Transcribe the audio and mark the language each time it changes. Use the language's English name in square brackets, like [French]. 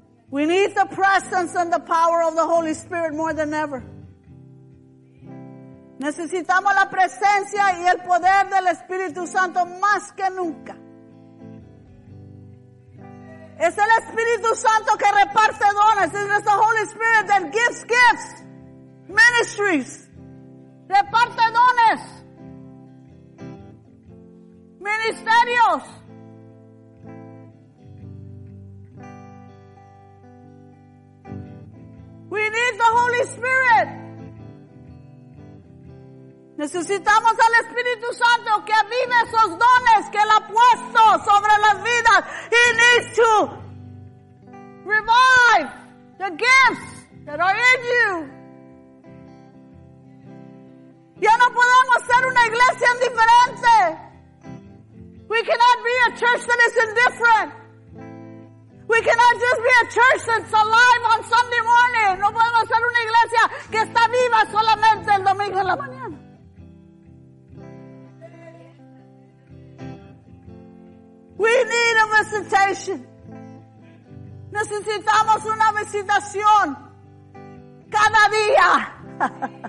[English] We need the presence and the power of the Holy Spirit more than ever. [Spanish] Necesitamos la presencia y el poder del Espíritu Santo más que nunca. Es el Espíritu Santo que reparte dones. Es el Holy Spirit that gives gifts, ministries. Reparte dones, ministerios. [English] We need the Holy Spirit. [Spanish] Necesitamos al Espíritu Santo que avive esos dones que Él ha puesto sobre las vidas. [English] He needs to revive the gifts that are in you. [Spanish] Ya no podemos ser una iglesia indiferente. [English] We cannot be a church that is indifferent. We cannot just be a church that's alive on Sunday morning. [Spanish] No podemos ser una iglesia que está viva solamente el domingo en la mañana. [English] We need a visitation. [Spanish] Necesitamos una visitación cada día.